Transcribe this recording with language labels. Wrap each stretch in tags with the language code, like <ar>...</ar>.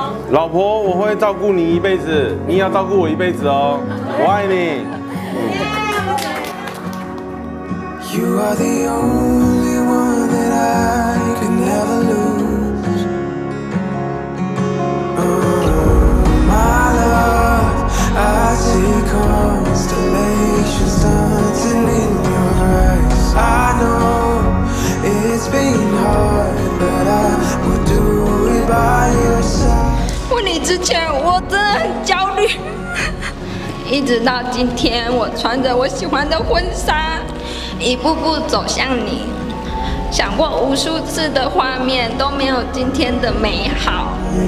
<zh>老婆，我会照顾你一辈子，你也要照顾我一辈子哦，我爱你。</zh> <en>You are the only one that I can never lose. My love, I see constellations dancing in your eyes. I know it's been hard, but I will do it by your side.</en> <zh>婚礼之前我真的很焦虑，一直到今天，我穿着我喜欢的婚纱。一步步走向你，想过无数次的画面都没有今天的美好。</zh>